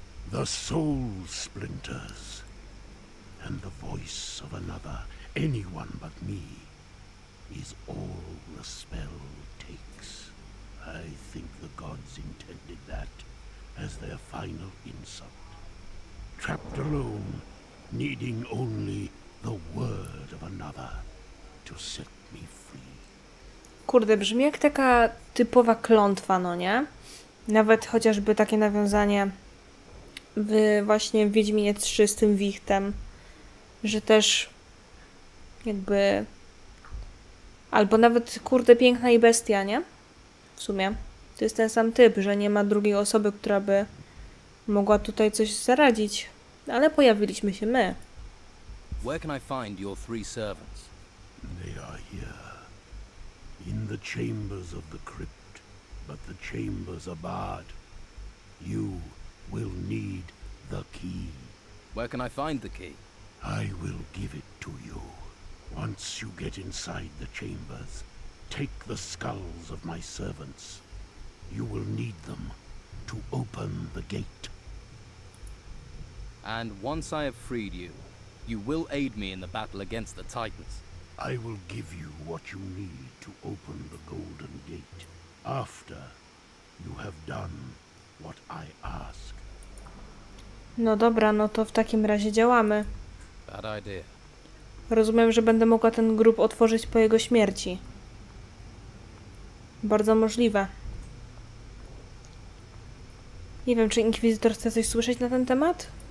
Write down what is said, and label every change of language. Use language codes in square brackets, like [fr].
[en] The soul splinters and the voice of another, anyone but me, is all the spell takes. I think the gods intended that as their final insult. Trapped alone, needing only the word of another to set me free. [pl] Kurde, brzmi jak taka typowa klątwa, no nie? Nawet chociażby takie nawiązanie w właśnie Wiedźminie 3 z tym wichtem, że też jakby... Albo nawet, kurde, Piękna i Bestia, nie? W sumie. To jest ten sam typ, że nie ma drugiej osoby, która by mogła tutaj coś zaradzić. Ale pojawiliśmy się my. [en] Where can I find your three servants? They are here. In the chambers of the crypt. But the chambers are barred. You will need the key. Where can I find the key? I will give it to you. Once you get inside the chambers, take the skulls of my servants. You will need them to open the gate. And once I have freed you, you will aid me in the battle against the Titans. I will give you what you need to open the golden gate after you have done what I ask. [pl] No dobra, no to w takim razie działamy. [en] Bad idea. [pl] Rozumiem, że będę mogła ten grób otworzyć po jego śmierci. Bardzo możliwe. Nie wiem, czy Inkwizytor chce coś słyszeć na ten temat?